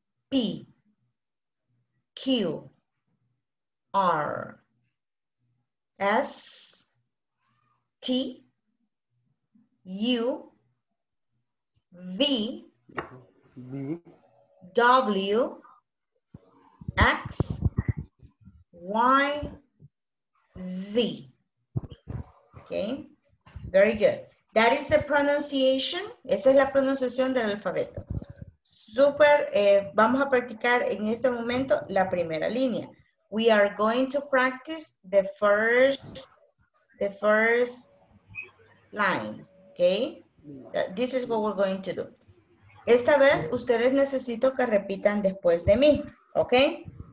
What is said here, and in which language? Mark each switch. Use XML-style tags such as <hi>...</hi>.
<en>P, Q, R, S, T, U, V, W, X, Y, Z. Okay, very good. That is the pronunciation.</en> <es>Esa es la pronunciación del alfabeto. Super, vamos a practicar en este momento la primera línea.</es> <en>We are going to practice the first line, okay? This is what we're going to do.</en> <es>Esta vez, ustedes necesito que repitan después de mí, okay?</es>